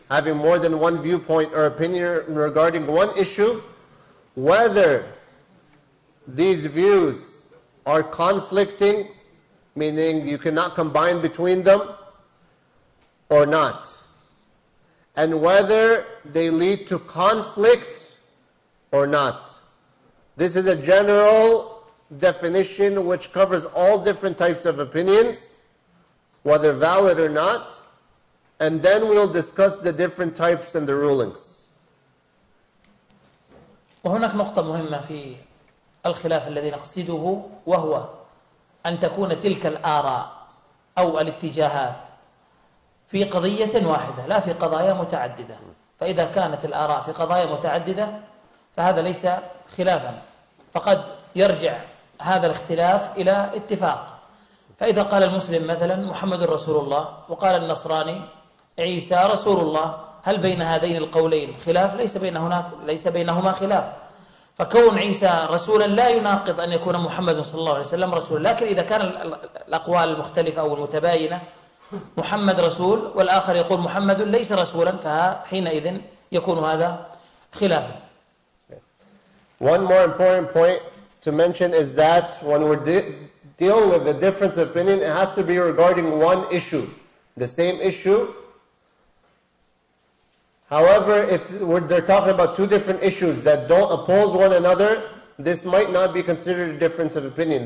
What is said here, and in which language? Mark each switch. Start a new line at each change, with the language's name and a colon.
English: Having more than one viewpoint or opinion regarding one issue, whether these views are conflicting, meaning you cannot combine between them or not, and whether they lead to conflict or not. This is a general definition which covers all different types of opinions, whether valid or not, and then we'll discuss the different types and the rulings.
Arabic: وهناك نقطة مهمة في الخلاف الذي نقصده وهو أن تكون تلك الآراء أو الاتجاهات في قضية واحدة لا في قضايا متعددة. فإذا كانت الآراء في قضايا متعددة فهذا ليس خلافا فقد يرجع هذا الاختلاف إلى اتفاق. ف فإذا قال المسلم مثلا محمد رسول الله وقال النصراني عيسى رسول الله، هل بين هذين القولين خلاف؟ ليس بينهما خلاف. فكون عيسى رسولا لا يناقض أن يكون محمد صلى الله عليه وسلم رسولا، لكن إذا كان الأقوال المختلفة أو المتباينة محمد رسول والآخر يقول محمد ليس رسولا، فحينئذ يكون هذا خلافا.
English: One more important point to mention is that when we deal with the difference of opinion, it has to be regarding one issue, the same issue. However, if they're talking about two different issues that don't oppose one another, this might not be considered a difference of opinion.